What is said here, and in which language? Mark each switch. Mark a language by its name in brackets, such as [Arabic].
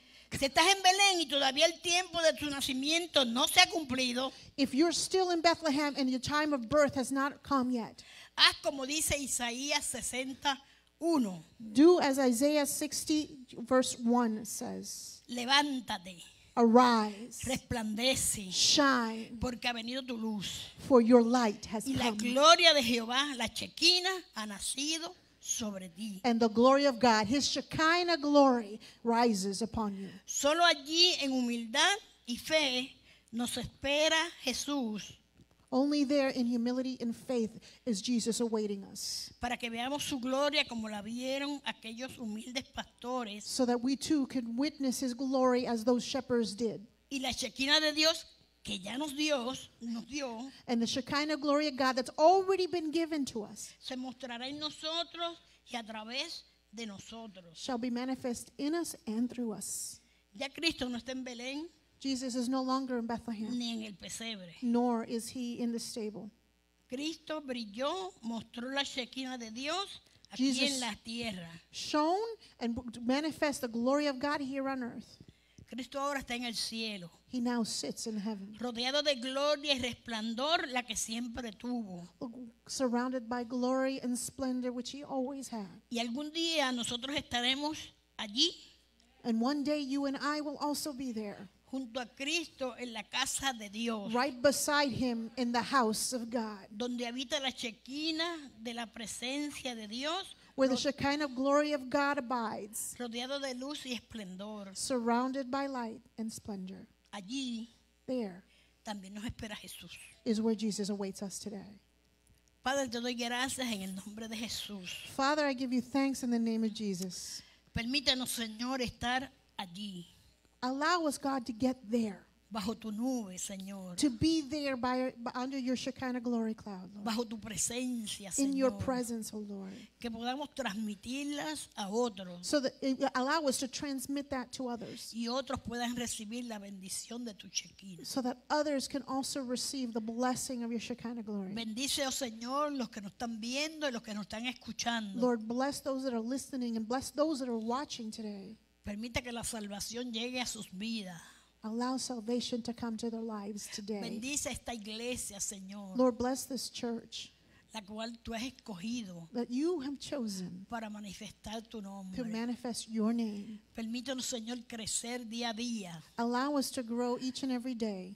[Spanish] Si estás en Belén y todavía el tiempo de tu nacimiento no se ha cumplido. [English] If you're still in Bethlehem and your time of birth has not come yet. [Spanish] Haz como dice Isaías 61. [English] Do as Isaiah 60 verse 1 says. [Spanish] Levántate. [English] Arise. [Spanish] Resplandece. [English] Shine. [Spanish] Porque ha venido tu luz. [English] For your light has come. [Spanish] Y la gloria de Jehová, la Shekinah, ha nacido sobre ti. [English] And the glory of God, his Shekinah glory, rises upon you. [Spanish] Solo allí en humildad y fe nos espera Jesús. [English] Only there in humility and faith is Jesus awaiting us. [Spanish] Para que veamos su gloria como la vieron aquellos humildes pastores. [English] So that we too can witness his glory as those shepherds did. [Spanish] Y la Shekinah de Dios que ya nos dio. [English] And the Shekinah glory of God that's already been given to us. [Spanish] Se mostrará en nosotros y a través de nosotros. [English] Shall be manifest in us and through us. [Spanish] Ya Cristo no está en Belén. [English] Jesus is no longer in Bethlehem. [Spanish] Ni en el pesebre. [English] Nor is he in the stable. [Spanish] Cristo brilló, mostró la Shekinah de Dios aquí [English] Jesus [Spanish] en la tierra. [English] Shone and manifest the glory of God here on earth. [Spanish] Cristo ahora está en el cielo. [English] He now sits in heaven. [Spanish] Rodeado de gloria y resplandor la que siempre tuvo. [English] Surrounded by glory and splendor which he always had. [Spanish] Y algún día nosotros estaremos allí. [English] And one day you and I will also be there. [Spanish] Junto a Cristo en la casa de Dios. [English] Right beside him in the house of God. [Spanish] Donde habita la Shekinah de la presencia de Dios. [English] Where the Shekinah glory of God abides. [Spanish] Rodeado de luz y esplendor. [English] Surrounded by light and splendor. [Spanish] Allí. [English] There. [Spanish] También nos espera Jesús. [English] Is where Jesus awaits us today. [Spanish] Padre, te doy gracias en el nombre de Jesús. [English] Father, I give you thanks in the name of Jesus. [Spanish] Permítanos, Señor, estar allí. [English] Allow us, God, to get there. [Spanish] Bajo tu nube, Señor. [English] To be there by under your Shekinah glory cloud, Lord. [Spanish] Bajo tu presencia, Señor. [English] In your presence, oh Lord. [Spanish] Que podamos transmitirlas a otros. [English] So that allow us to transmit that to others. [Spanish] Y otros puedan recibir la bendición de tu Shekinah. [English] So that others can also receive the blessing of your Shekinah glory. [Spanish] Bendice, oh Señor, los que nos están viendo y los que nos están escuchando. [English] Lord, bless those that are listening and bless those that are watching today. [Spanish] Permita que la salvación llegue a sus vidas. [English] Allow salvation to come to their lives today. [Spanish] Bendice esta iglesia, Señor. [English] Lord, bless this church. [Spanish] La cual tú has escogido. [English] That you have chosen. [Spanish] Para manifestar tu nombre. [English] To manifest your name. [Spanish] Permítanos, Señor, crecer día a día. [English] Allow us to grow each and every day.